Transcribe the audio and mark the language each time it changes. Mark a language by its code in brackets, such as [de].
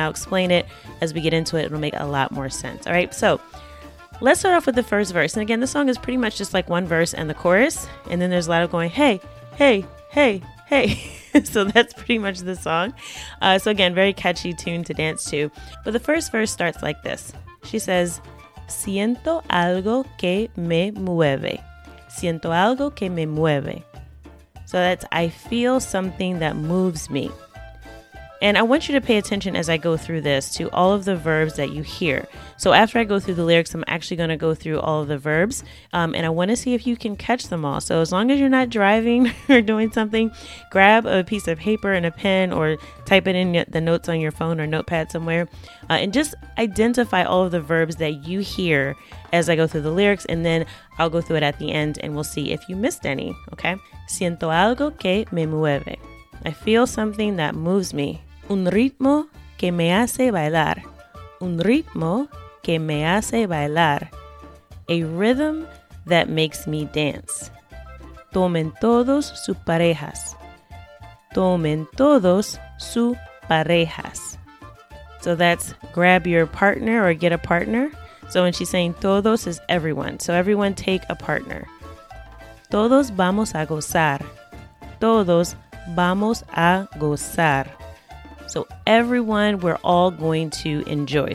[en] And I'll explain it as we get into it. It'll make a lot more sense. All right, so let's start off with the first verse. And again, the song is pretty much just like one verse and the chorus. And then there's a lot of going, hey, hey, hey, hey. So that's pretty much the song. So again, very catchy tune to dance to. But the first verse starts like this. She says, [es] siento algo que me mueve. Siento algo que me mueve. [en] So that's, I feel something that moves me. And I want you to pay attention as I go through this to all of the verbs that you hear. So after I go through the lyrics, I'm actually going to go through all of the verbs. And I want to see if you can catch them all. So as long as you're not driving or doing something, grab a piece of paper and a pen or type it in the notes on your phone or notepad somewhere. And just identify all of the verbs that you hear as I go through the lyrics. And then I'll go through it at the end and we'll see if you missed any. Okay. [es] Siento algo que me mueve. [en] I feel something that moves me. [es] Un ritmo que me hace bailar. Un ritmo que me hace bailar. [en] A rhythm that makes me dance. [es] Tomen todos sus parejas. Tomen todos sus parejas. [en] So that's grab your partner or get a partner. So when she's saying todos is everyone. So everyone take a partner. [es] Todos vamos a gozar. Todos vamos a gozar. [en] So everyone, we're all going to enjoy.